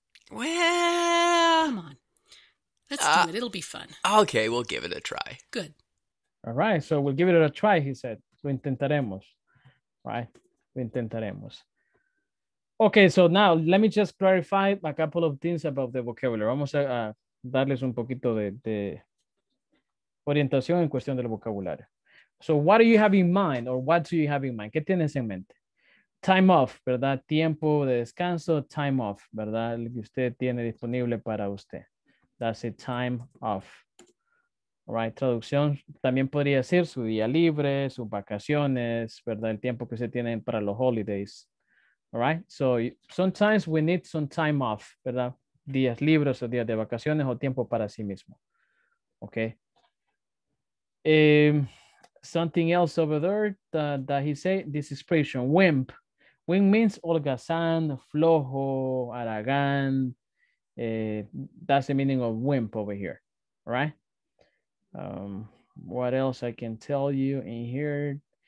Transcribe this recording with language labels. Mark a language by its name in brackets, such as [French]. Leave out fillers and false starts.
[English] Well. Come on. Let's do it. It'll be fun. Okay, we'll give it a try. Good. All right, so we'll give it a try, he said. [Spanish] Lo intentaremos, [English] right? Lo intentaremos. Okay, so now let me just clarify a couple of things about the vocabulary. [Spanish] Vamos a darles un poquito de orientación en cuestión del vocabulario. [English] So what do you have in mind or what do you have in mind? [Spanish] ¿Qué tienes en mente? Time off, ¿verdad? Tiempo de descanso, time off, ¿verdad? El que usted tiene disponible para usted. [English] That's a time off. [Spanish] All right, traducción también podría ser su día libre, sus vacaciones, ¿verdad? El tiempo que se tienen para los holidays. [English] All right, so sometimes we need some time off, ¿verdad? [Spanish] Días libres o días de vacaciones o tiempo para sí mismo. [English] Okay. Something else over there that he said, this expression, wimp. Wimp means [Spanish] holgazán, flojo, haragán. [English] That's the meaning of wimp over here. All right. What else I can tell you in here?